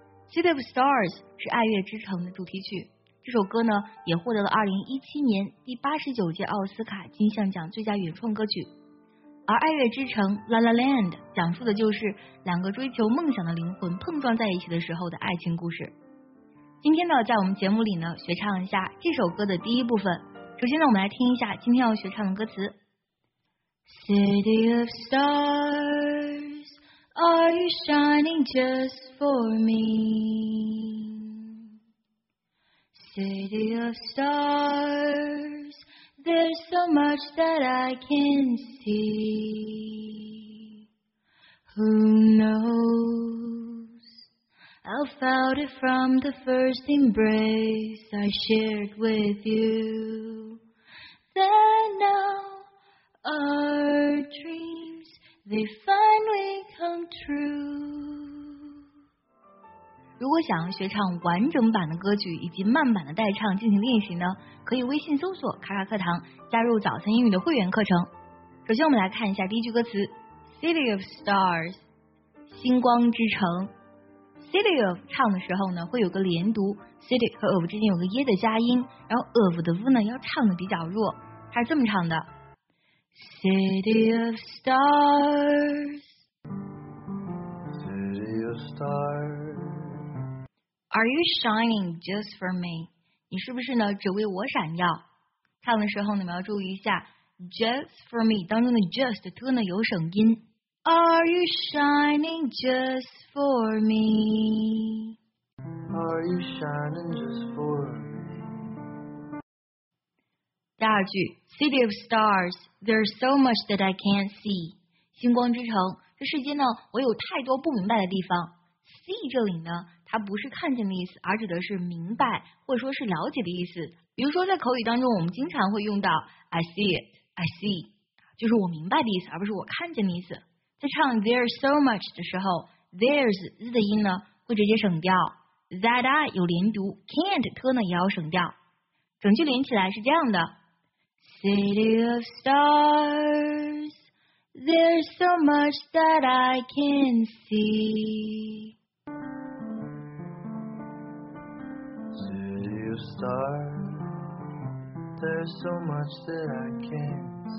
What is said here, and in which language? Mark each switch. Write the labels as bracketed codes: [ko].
[zh] City of Stars 是爱乐之城的主题曲，这首歌呢也获得了2017年第89届奥斯卡金像奖最佳原创歌曲。而爱乐之城 La La Land 讲述的就是两个追求梦想的灵魂碰撞在一起的时候的爱情故事。今天呢，在我们节目里呢学唱一下这首歌的第一部分。首先呢，我们来听一下今天要学唱的歌词。 [en] City of Stars, are you shining just for me? City of Stars, there's so much that I can see. Who knows? I felt it from the first embrace I shared with you. And now our dreams, they finally come true. [zh] 如果想要学唱完整版的歌曲以及慢版的代唱进行练习呢，可以微信搜索卡卡课堂，加入早餐英语的会员课程。首先我们来看一下第一句歌词 City of Stars, 星光之城。 City of 唱的时候呢会有个连读， City 和 of 之间有个耶的加音，然后 of 的 v 呢要唱的比较弱，它是这么唱的 City of Stars [en] City of Stars Are you shining just for me? [zh] 你是不是呢只为我闪耀？唱的时候你们要注意一下 [en] Just for me [zh] 当中的 just 特呢有省音。 [en] Are you shining just for me? Are you shining just for me? [zh] 第二句 [en] City of stars, there's so much that I can't see. [zh] 星光之城，这世界呢我有太多不明白的地方。 See 这里呢它不是看见的意思，而指的是明白或者说是了解的意思。比如说在口语当中我们经常会用到 [en] I see it, I see, [zh] 就是我明白的意思而不是我看见的意思。在唱 [en] there's so much [zh] 的时候， there's z 的音呢会直接省掉， [en] that I [zh] 有连读， can't 特呢也要省掉。整句连起来是这样的 [en] City of stars, there's so much that I can see. City of stars, there's so much that I can see.